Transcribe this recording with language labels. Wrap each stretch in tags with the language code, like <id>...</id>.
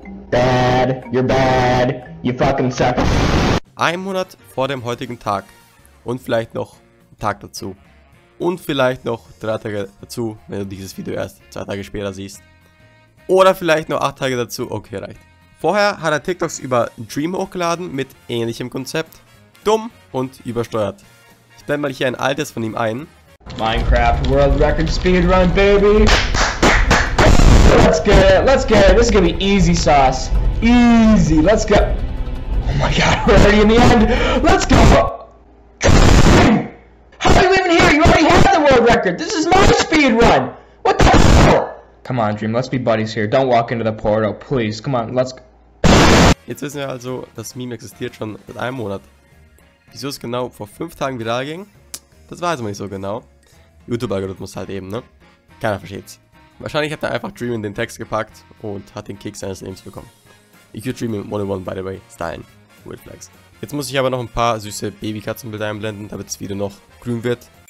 <en>Bad, you're bad, you fucking suck.</en> <de>Ein Monat vor dem heutigen Tag und vielleicht noch einen Tag dazu. Und vielleicht noch 3 Tage dazu, wenn du dieses Video erst 2 Tage später siehst. Oder vielleicht nur 8 Tage dazu, okay, reicht. Vorher hat er TikToks über Dream hochgeladen mit ähnlichem Konzept. Dumm und übersteuert. Ich blende mal hier ein altes von ihm ein.</de> <en>Minecraft World Record Speedrun, baby! Let's get it, this is gonna be easy sauce. Easy, let's go. Oh my god, we're already in the end. Let's go. How are you even here? You already have the world record. This is my speed run. What the hell? Come on, Dream, let's be buddies here. Don't walk into the portal, please. Come on, let's go.</en> <de>Jetzt wissen wir also, das Meme existiert schon seit einem Monat. Wieso es genau vor 5 Tagen viral ging, das weiß man nicht so genau. YouTube-Algorithmus halt eben, ne? Keiner versteht's. Wahrscheinlich hat er einfach Dream in den Text gepackt und hat den Kick seines Lebens bekommen. Ich würde Dream im 1-on-1,</de> <en>by the way,</en> <de>stylen.</de> <en>Weird flags.</en> <de>Jetzt muss ich aber noch ein paar süße Babykatzenbilder einblenden, damit das Video noch grün wird.</de>